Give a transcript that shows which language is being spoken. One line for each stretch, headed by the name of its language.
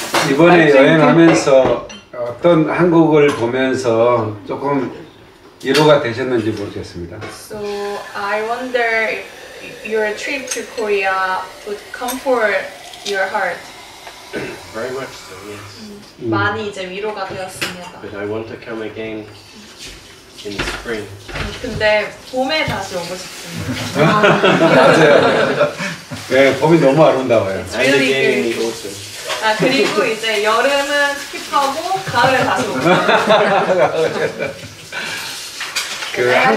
Korean: 이번에 여행하면서 어떤 한국을 보면서 조금 위로가 되셨는지 모르겠습니다.
English: So I wonder if your trip to Korea would comfort your heart. Very much so, yes.
Korean: 많이 이제 위로가 되었습니다.
English: But I want to come again in the spring.
Korean: 근데 봄에 다시 오고 싶습니다. 맞아요. 네, 봄이 너무 아름다워요.
English: It's really good. And again in the autumn.
Korean: 아 그리고 이제 여름은 스킵하고 가을에 다시 오고 싶습니다.
English: Yeah,